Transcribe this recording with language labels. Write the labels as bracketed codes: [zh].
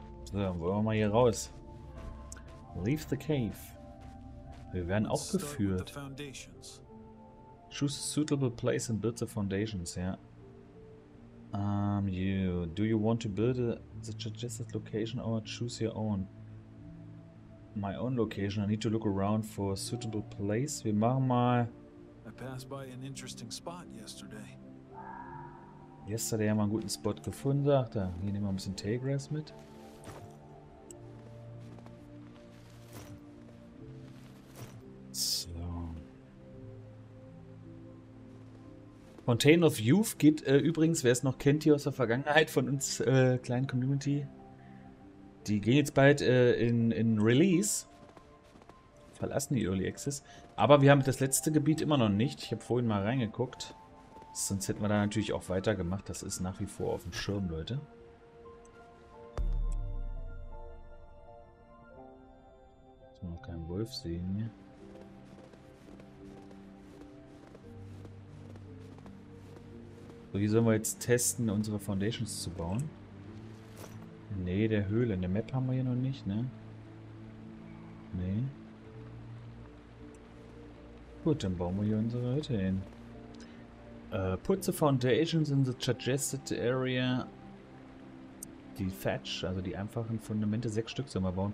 [de] So, dann wollen wir mal hier raus. [en] Leave the cave. [de] Wir werden auch geführt. [en] Choose a suitable place and build the foundations, ja. Do you want to build the suggested location or choose your own? My own location. I need to look around for a suitable place. [de] Wir machen mal. [en] I passed by an interesting spot yesterday. [de] Yesterday haben wir einen guten Spot gefunden, sagt er. Hier nehmen wir ein bisschen Tailgrass mit. Fountain of Youth geht übrigens, wer es noch kennt hier aus der Vergangenheit von uns kleinen Community, die gehen jetzt bald in Release. Verlassen die Early Access. Aber wir haben das letzte Gebiet immer noch nicht. Ich habe vorhin mal reingeguckt. Sonst hätten wir da natürlich auch weitergemacht. Das ist nach wie vor auf dem Schirm, Leute. Jetzt muss man keinen Wolf sehen hier. So, hier sollen wir jetzt testen, unsere Foundations zu bauen. Nee, der Höhle. In der Map haben wir hier noch nicht, ne? Nee. Gut, dann bauen wir hier unsere Hütte hin. [en] Put the foundations in the suggested area. [de] Die Thatch, also die einfachen Fundamente, 6 Stück sollen wir bauen.